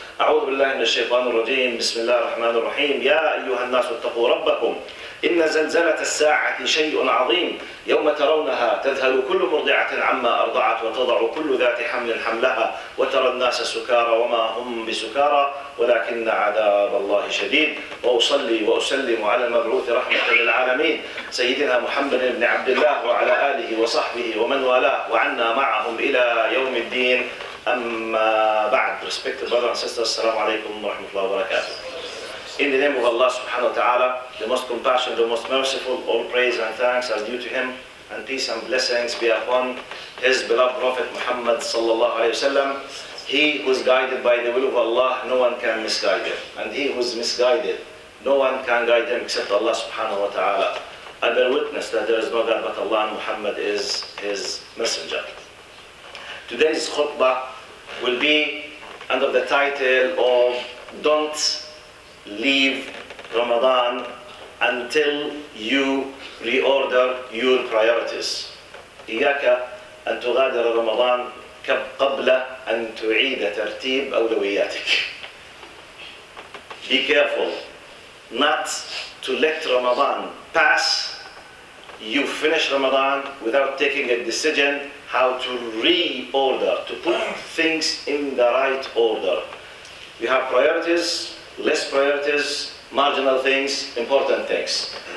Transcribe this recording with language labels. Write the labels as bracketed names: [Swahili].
[Arabic] أعوذ بالله من الشيطان الرجيم. بسم الله الرحمن الرحيم. يا أيها الناس اتقوا ربكم، إن زلزلة الساعة شيء عظيم، يوم ترونها تذهل كل مرضعة عما أرضعت وتضع كل ذات حمل حملها، وترى الناس سكارى وما هم بسكارى ولكن عذاب الله شديد. وأصلي وأسلم على المبعوث رحمة للعالمين سيدنا محمد بن عبد الله وعلى آله وصحبه ومن والاه وعنا معهم إلى يوم الدين. أما بعد، [English] respected brother and sister, [Arabic] السلام عليكم ورحمة الله وبركاته. [English] In the name of Allah subhanahu wa ta'ala, the most compassionate, the most merciful, all praise and thanks are due to him, and peace and blessings be upon his beloved Prophet Muhammad sallallahu alayhi wa sallam. He who is guided by the will of Allah, no one can misguide him. And he who is misguided, no one can guide him except Allah subhanahu wa ta'ala. I bear witness that there is no God but Allah, and Muhammad is his messenger. Today's khutbah will be under the title of Don't Leave Ramadan Until You Reorder Your Priorities. [Arabic] إياك أن تغادر رمضان قبل أن تعيد ترتيب أولوياتك. [English] Be careful not to let Ramadan pass. You finish Ramadan without taking a decision how to reorder, to put things in the right order. We have priorities, less priorities, marginal things, important things.